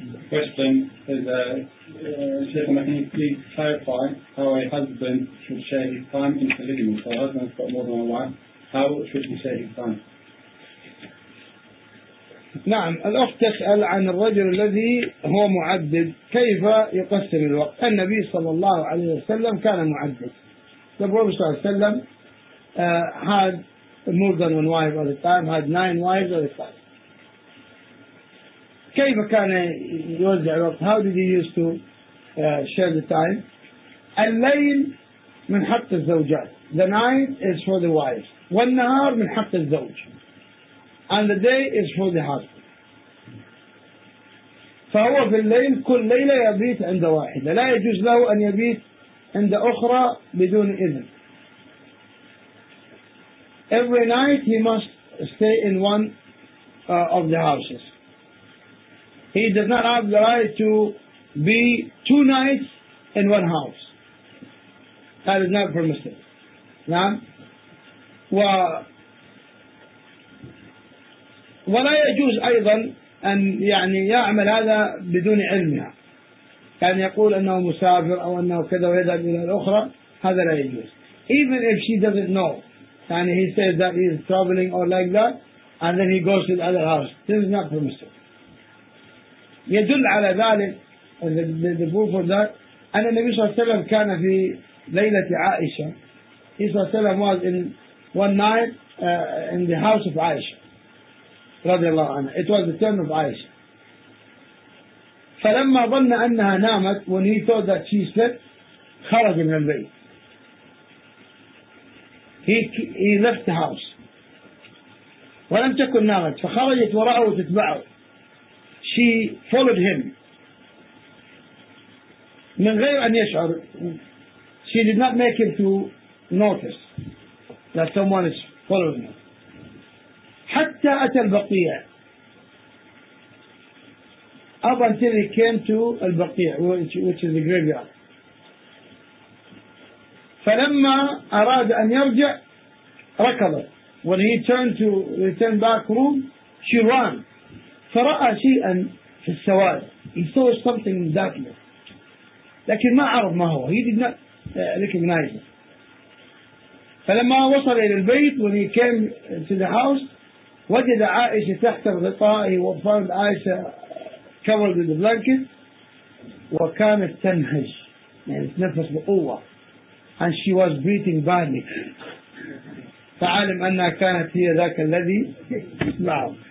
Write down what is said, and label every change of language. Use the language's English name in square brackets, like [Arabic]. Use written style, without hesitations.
[English] Question is, Sheikh Mahini, please clarify how a husband should share his time in polygamy. So a husband's got more than a wife, how should he share his time? [Arabic] نعم الأخت تسأل عن الرجل الذي هو معدد كيف يقسم الوقت. النبي صلى الله عليه وسلم كان معدد. [English] The Prophet [Arabic] صلى الله عليه وسلم [English] had more than one wife at the time, had nine wives at the time. [Arabic] كيف كان يوزع الوقت؟ [English] How did he used to share the time? [Arabic] الليل من حق الزوجات. [English] The night is for the wives. [Arabic] والنهار من حق الزوج. [English] And the day is for the husband. [Arabic] فهو في الليل كل ليلة يبيت عند واحدة. لا يجوز له أن يبيت عند أخرى بدون إذن. [English] Every night he must stay in one of the houses. He does not have the right to be two nights in one house. That is not permissible. نعم. [Arabic] ولا يجوز أيضا أن يعني يعمل هذا بدون علمها. كان يقول أنه مسافر أو أنه كذا ويذهب إلى الأخرى. هذا لا يجوز. [English] Even if she doesn't know, يعني he says that he is traveling or like that, and then he goes to the other house. This is not permissible. [Arabic] يدل على ذلك [English] the proof of that [Arabic] أن النبي صلى الله عليه وسلم كان في ليلة عائشة. [English] He [Arabic] صلى الله عليه وسلم [English] was in one night in the house of عائشة [Arabic] رضي الله عنها. [English] It was the turn of عائشة. [Arabic] فلما ظن أنها نامت, [English] when he thought that she slept, [Arabic] خرج من البيت. [English] He left the house [Arabic] ولم تكن نامت, فخرجت وراءه وتتبعه. [English] She followed him [Arabic] من غير أن يشعر. [English] She did not make him to notice that someone is following him. [Arabic] حتى أتى البقيع. [English] Up until he came to البقيع, which is the graveyard. [Arabic] فلما أراد أن يرجع ركضت. [English] When he turned to return back room, she ran. [Arabic] فرأى شيئا في السواد. [English] He saw something in darkness. [Arabic] لكن ما عرف ما هو. [English] He did not recognize it. [Arabic] فلما وصل إلى البيت, [English] when he came to the house, [Arabic] وجد عائشة تحت الغطاء. [English] He found عائشة covered with the blanket. [Arabic] وكانت تنهج. يعني تنفس بقوة. [English] And she was breathing badly. [Arabic] فعلم أنها كانت هي ذاك الذي اسمعه.